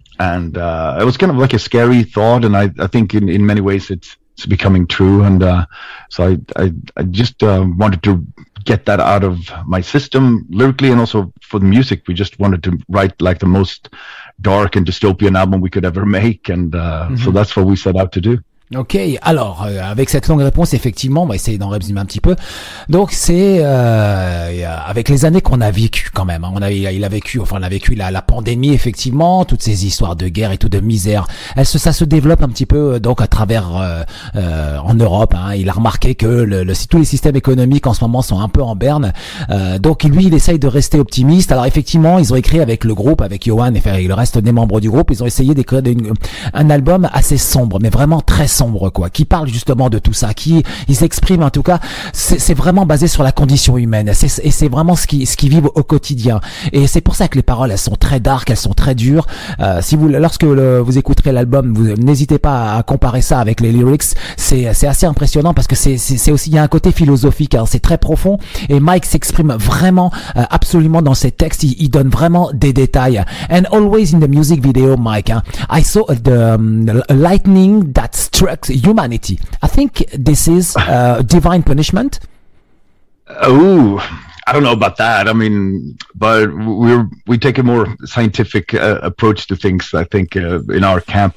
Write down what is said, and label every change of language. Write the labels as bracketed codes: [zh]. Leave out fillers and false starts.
[en] And it was kind of like a scary thought, and I think in many ways it's becoming true. And so I just wanted to get that out of my system lyrically, and also for the music. We just wanted to write like the most dark and dystopian album we could ever make, and so that's what we set out to do. [fr] Ok, alors avec cette longue réponse, effectivement, on va essayer d'en résumer un petit peu. Donc c'est avec les années qu'on a vécu quand même. Hein, on a vécu la pandémie, effectivement, toutes ces histoires de guerre et tout, de misère. Ça se développe un petit peu donc à travers en Europe. Hein, il a remarqué que tous les systèmes économiques en ce moment sont un peu en berne. Donc lui, il essaye de rester optimiste. Alors effectivement, ils ont écrit avec le groupe, avec Johan et le reste des membres du groupe, ils ont essayé d'écrire un album assez sombre, mais vraiment très sombre, quoi, qui parle justement de tout ça, qui ils expriment, en tout cas c'est vraiment basé sur la condition humaine, c'est vraiment ce qu'ils vivent au quotidien, et c'est pour ça que les paroles, elles sont très dark, elles sont très dures. Lorsque vous écouterez l'album, vous n'hésitez pas à comparer ça avec les lyrics. C'est assez impressionnant, parce que c'est aussi, il y a un côté philosophique, hein, c'est très profond, et Mike s'exprime vraiment absolument dans ses textes, il donne vraiment des détails. [en] And always in the music video, Mike, hein, I saw the lightning that struck humanity. I think this is divine punishment. Oh, I don't know about that. I mean, but we take a more scientific approach to things, I think, in our camp.